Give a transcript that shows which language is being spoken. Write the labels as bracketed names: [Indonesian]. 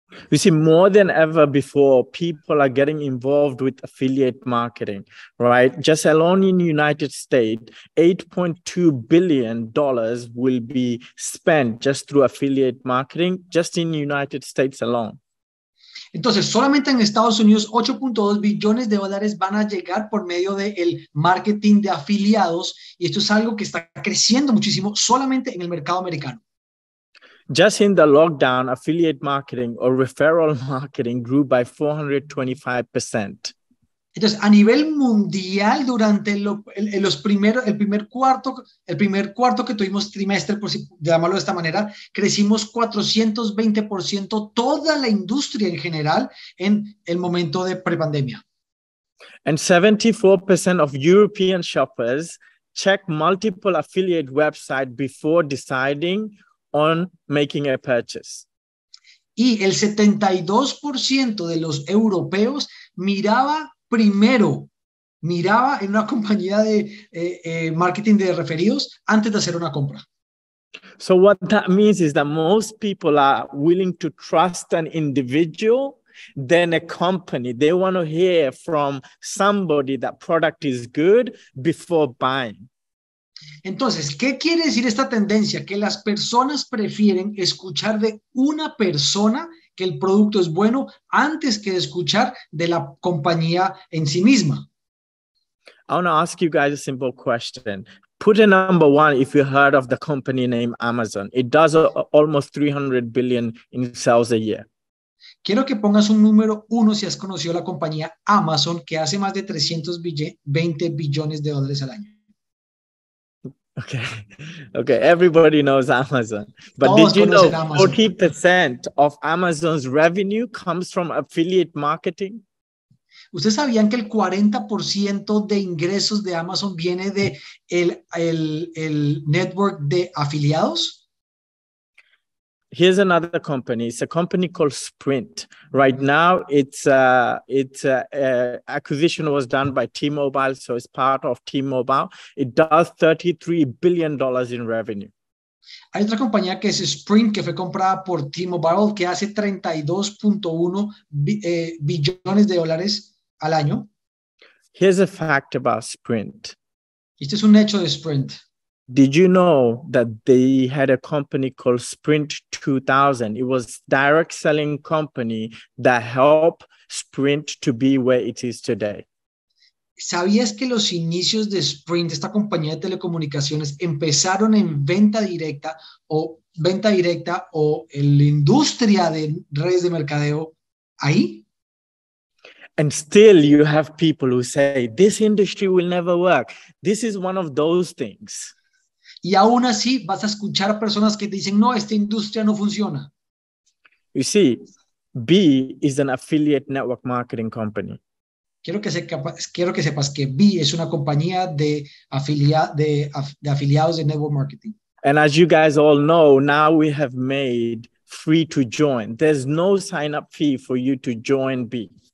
[English] You see, more than ever before, people are getting involved with affiliate marketing, right? Just alone in the United States, $8.2 billion will be spent just through affiliate marketing, just in the United States alone. [Spanish] Entonces, solamente en Estados Unidos, 8.2 billones de dólares van a llegar por medio del marketing de afiliados. Y esto es algo que está creciendo muchísimo solamente en el mercado americano. [English] Just in the lockdown, affiliate marketing or referral marketing grew by 425%. [Spanish] Entonces, a nivel mundial, durante el primer cuarto que tuvimos trimestre, por si llamarlo de esta manera, crecimos 420% toda la industria en general en el momento de prepandemia. [English] And 74% of European shoppers check multiple affiliate websites before deciding on making a purchase. [Spanish] Y el 72% de los europeos miraba primero, miraba en una compañía de marketing de referidos antes de hacer una compra. [English] So what that means is that most people are willing to trust an individual than a company. They want to hear from somebody that product is good before buying. [Spanish] Entonces, ¿qué quiere decir esta tendencia? Que las personas prefieren escuchar de una persona que el producto es bueno antes que escuchar de la compañía en sí misma. [English] I want to ask you guys a simple question. Put a number one if you heard of the company named Amazon. It does almost 300 billion in sales a year. [Spanish] Quiero que pongas un número uno si has conocido la compañía Amazon, que hace más de 320 billones de dólares al año. [English] Okay, everybody knows Amazon. But [Spanish] todos [English] did you know Amazon. 40% of Amazon's revenue comes from affiliate marketing? [Spanish] ¿Ustedes sabían que el 40% de ingresos de Amazon viene de el network de afiliados? [English] Here's another company. It's a company called Sprint. Right now, its acquisition was done by T-Mobile, so it's part of T-Mobile. It does $33 billion in revenue. [Spanish] Hay otra compañía que es Sprint, que fue comprada por T-Mobile, que hace 32.1 billones de dólares al año. [English] Here's a fact about Sprint. [Spanish] Este es un hecho de Sprint. [English] Did you know that they had a company called Sprint 2000? It was direct selling company that helped Sprint to be where it is today. [Spanish] ¿Sabías que los inicios de Sprint, esta compañía de telecomunicaciones, empezaron en venta directa o la industria de redes de mercadeo ahí? [English] And still you have people who say this industry will never work. This is one of those things. [Spanish] Y aún así vas a escuchar personas que te dicen, no, esta industria no funciona. [English] You see, BE is an affiliate network marketing company. [Spanish] Quiero que sepas que BE es una compañía de afiliados de network marketing. [English] And as you guys all know, now we have made free to join. There's no sign up fee for you to join BE.